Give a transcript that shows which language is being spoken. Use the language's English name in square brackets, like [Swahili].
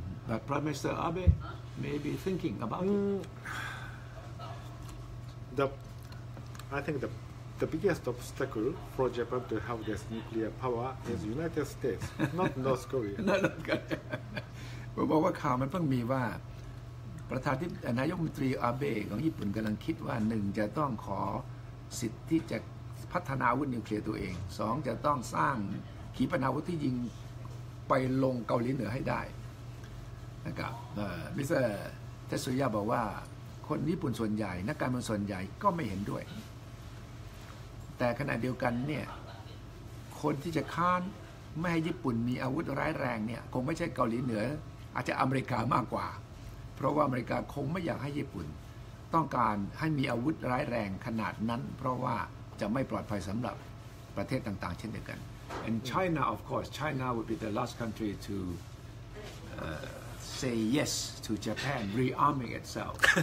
[English] But Prime Minister Abe may be thinking about I think the biggest obstacle for Japan to have this nuclear power is United States, not North Korea. [Thai] นั่นก็ผมบอกว่าข่าวมันเพิ่งมีว่าประธานที่นายกรัฐมนตรีอาเบะของญี่ปุ่นกำลังคิดว่าหนึ่งจะต้องขอสิทธิ์ที่จะพัฒนาอาวุธนิวเคลียร์ตัวเองสองจะต้องสร้างขีปนาวุธที่ยิงไปลงเกาหลีเหนือให้ได้นะครับมิสเตอร์ทัตสุยะบอกว่าคนญี่ปุ่นส่วนใหญ่นักการเมืองส่วนใหญ่ก็ไม่เห็นด้วย แต่ขณะเดียวกันเนี่ยคนที่จะค้านไม่ให้ญี่ปุ่นมีอาวุธร้ายแรงเนี่ยคงไม่ใช่เกาหลีเหนืออาจจะอเมริกามากกว่าเพราะว่าอเมริกาคงไม่อยากให้ญี่ปุ่นต้องการให้มีอาวุธร้ายแรงขนาดนั้นเพราะว่าจะไม่ปลอดภัยสำหรับประเทศต่างๆเช่นเดียวกัน [English] and China of course China would be the last country to say yes to Japan rearming itself